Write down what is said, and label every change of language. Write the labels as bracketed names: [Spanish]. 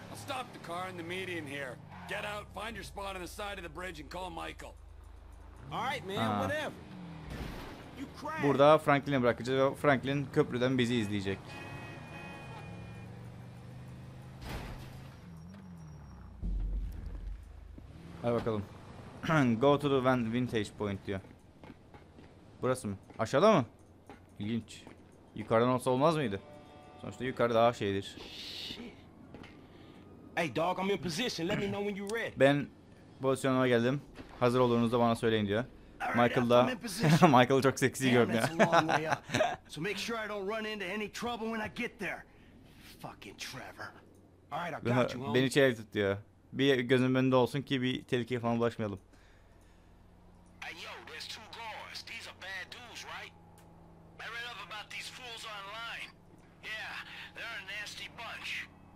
[English] Stop the car in the median here. Get out, find your spot on the side of the bridge and call Michael. All right, man, whatever. [Turkish] Burada Franklin'i bırakacağız ve Franklin köprüden bizi izleyecek. Hadi bakalım. [English] Go to the vantage point [Turkish] diyor. Burası mı? Aşağıda mı? İlginç. Yukarıdan olsa olmaz mıydı? Sonuçta yukarı daha şeydir. [English] Hey dog, I'm in position. Let me know when you're ready. [Turkish] Ben pozisyonuma geldim. Hazır olduğunuzda bana söyleyin diyor. Michael da Michael çok seksi görünüyor. [English] So make sure I don't run into any trouble when I get there. Fucking Trevor. All right, I got you. [Turkish] Beni içeri tut diyor. Bir gözümün önünde olsun ki bir tehlikeye falan bulaşmayalım. [English] Hey yo, there's two guards. These are bad dudes, right? I read up about these fools online. Yeah, they're a nasty bunch.